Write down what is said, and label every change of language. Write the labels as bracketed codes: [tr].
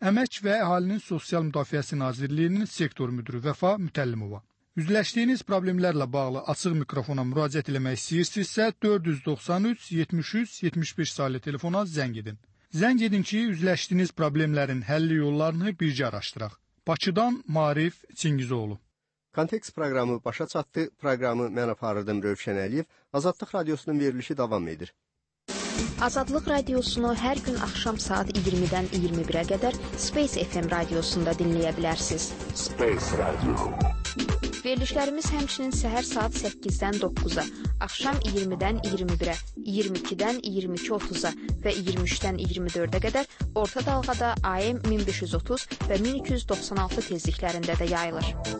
[az] Əmək və Əhalinin Sosial Müdafiəsi Nazirliyinin sektor müdürü Vəfa Mütəllimova. Üzləşdiyiniz problemlərlə bağlı açıq mikrofona müraciət eləmək istəyirsinizsə, 493-73-71 saylı telefona zəng edin. Zəng edin ki, üzləşdiyiniz problemlərin həlli yollarını bircə araşdıraq. Bakıdan Marif Çingizoğlu. Kontekst proqramı başa çatdı. Proqramı mən aparırdım Rövşən Əliyev. Azadlıq Radiosunun verilişi davam edir. Azadlıq Radiosunu hər gün axşam saat 20-dən 21-ə qədər Space FM radiosunda dinləyə bilərsiniz. [en] Space Radio. We'll be right back. [az] Verilişlərimiz həmçinin səhər saat 8-dən 9-a, axşam 20-dən 21-ə, 22-dən 22:30-a və 23-dən 24-ə qədər orta dalğada AM 1530 və 1296 tezliklərində də yayılır.